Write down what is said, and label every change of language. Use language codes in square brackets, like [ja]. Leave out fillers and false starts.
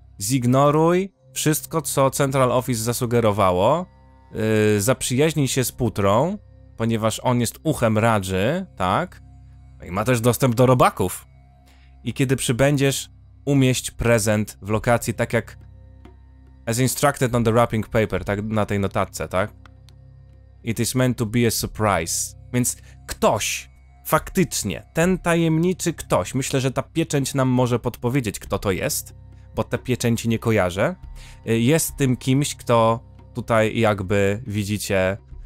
[pl] Zignoruj wszystko, co Central Office zasugerowało. Zaprzyjaźnij się z Putrą, ponieważ on jest uchem Radży, tak? I ma też dostęp do robaków. I kiedy przybędziesz, umieść prezent w lokacji, tak jak... [en] As instructed on the wrapping paper, [pl] tak? Na tej notatce, tak? [en] It is meant to be a surprise. [pl] Więc ktoś, faktycznie, ten tajemniczy ktoś, myślę, że ta pieczęć nam może podpowiedzieć, kto to jest, bo te pieczęci nie kojarzę, jest tym kimś, kto tutaj jakby, widzicie...